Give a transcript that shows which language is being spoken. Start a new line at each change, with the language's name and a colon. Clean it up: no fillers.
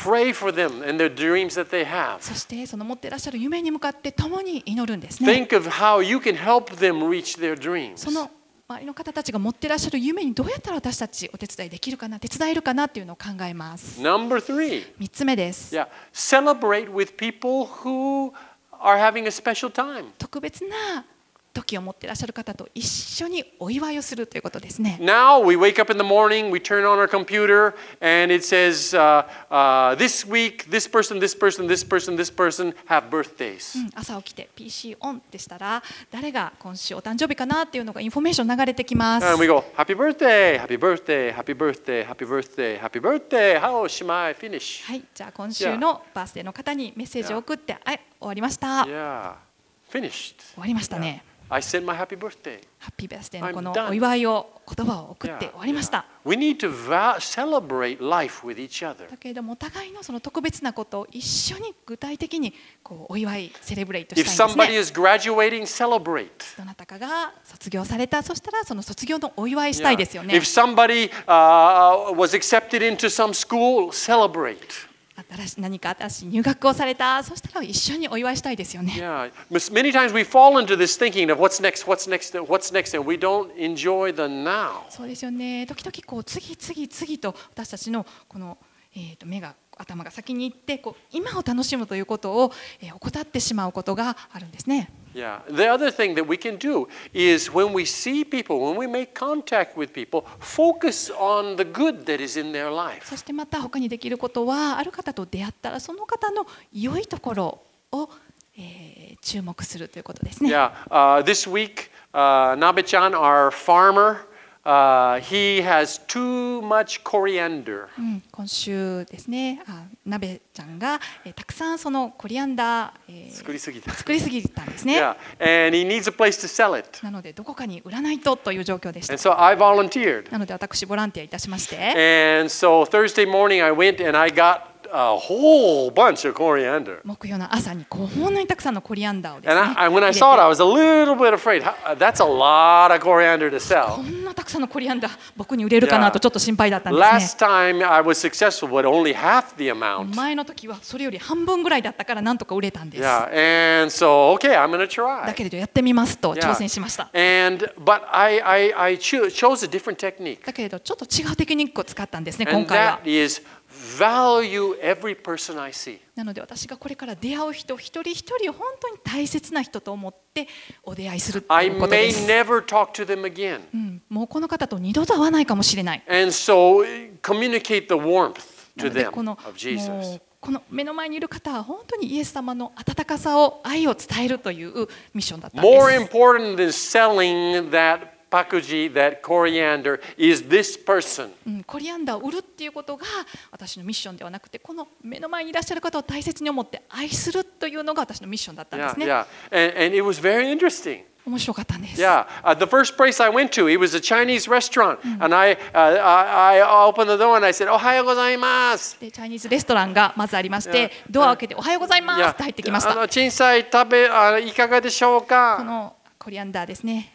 English: Pray for them and their dreams that they have.
Japanese: そしてその持ってらっしゃる夢に向かって共に祈るんですね。
English: Think of how you can help them reach their dreams.
Japanese: その周りの方たちが持ってらっしゃる夢にどうやったら私たちお手伝いできるかな、手伝えるかなっていうのを考えます。
English: Number three.
Japanese: 三つ目です。
English: Yeah. Celebrate with people who are having a special time.
Japanese: 特別な時を持ってらっしゃる方と一緒にお祝いをするということですね。
English: Now we wake up in the morning, we turn on our computer, and it says, this week, this person, this person, this person, this person have birthdays.、
Japanese: うん、朝起きて PC オンでしたら、誰が今週お誕生日かなっていうのがインフォメーション流れてきます。
English: And we go, happy birthday, happy birthday, happy birthday, happy birthday, happy birthday, how is my finish?
Japanese: はい、じゃあ今週のバースデーの方にメッセージを送って、
English: yeah.
Japanese: 終わりました。
English: Yeah, finished.
Japanese: 終わりましたね。
English: Yeah. I sent my happy birthday. Happy birthday
Japanese: のこのお祝いを言葉を送って終わりました。
English: Yeah, yeah. We need to celebrate life with each other.
Japanese: だけれどもお互いのその特別なことを一緒に具体的にこうお祝いセレブレートしたいですね。
English: If somebody is graduating, celebrate.
Japanese: どなたかが卒業されたそしたらその卒業のお祝いしたいですよね。
English: Yeah. If somebody was accepted into some school, celebrate.
Japanese: 何か新しい入学をされた、そしたら一緒にお祝いしたいですよね。
English: Yeah, many times we fall into this thinking of what's next, what's next, what's next, and we don't enjoy the now.
Japanese: そうですよね。時々こう次次次と私たちのこの目が頭が先に行って、こう今を楽しむということを怠ってしまうことがあるんですね。
English: Yeah, the other thing that we can do is when we see people, when we make contact with people, focus on the good that is in their life.
Japanese: そしてまた他にできることは、ある方と出会ったらその方の良いところを、注目するということですね。
English: Yeah, this week, Nabe-chan, our farmer, he has too much coriander.
Japanese: 今週ですね、ナベちゃんがたくさんそのコリアンダー、作りすぎたんですね。
English: Yeah. And he needs a place to sell it.
Japanese: なのでどこかに売らないとという状況でした。
English: And so I volunteered.
Japanese: なので私ボランティアいたしまして。
English: And so Thursday morning I went and I got a whole bunch of coriander.
Japanese: 木曜の朝にこんなにたくさんのコリアンダーをですね。
English: And when I saw it, I was a little bit afraid. That's a lot of coriander to sell.
Japanese: こんなたくさんのコリアンダー僕に売れるかなとちょっと心配だったんですね。
English: Last time I was successful, but only half the amount.
Japanese: 前の時はそれより半分ぐらいだったからなんとか売れたんです。
English: Yeah. And so, okay, I'm gonna try.
Japanese: だけれどやってみますと挑戦しました。
English: Yeah. And, but I chose a different technique.
Japanese: だけれどちょっと違うテクニックを使ったんですね、今回は。
English: And that is value every person I see.
Japanese: なので私がこれから出会う人一人一人を本当に大切な人と思ってお出会いするということです。
English: I may never talk to them again.
Japanese: もうこの方と二度と会わないかもしれない。
English: And so, communicate the warmth.
Japanese: なのでこの目の前にいる方は本当にイエス様の温かさを愛を伝えるというミッションだったんです。
English: More important than selling that pakuji, that coriander, is this person.
Japanese: コリアンダーを売るっていうことが私のミッションではなくて、この目の前にいらっしゃる方を大切に思って愛するというのが私のミッションだったんですね。
English: And it was very interesting.
Japanese: 面白かったんです。
English: Yeah, the first place I went to, it was a Chinese restaurant, and I opened the door and I said,
Japanese: おはようございます。で、チャイニーズレストランがまずありまして、ドアを開けておはようございますって入ってきました。あの、小さい食べ、いかがでしょうか。このコリアンダーですね。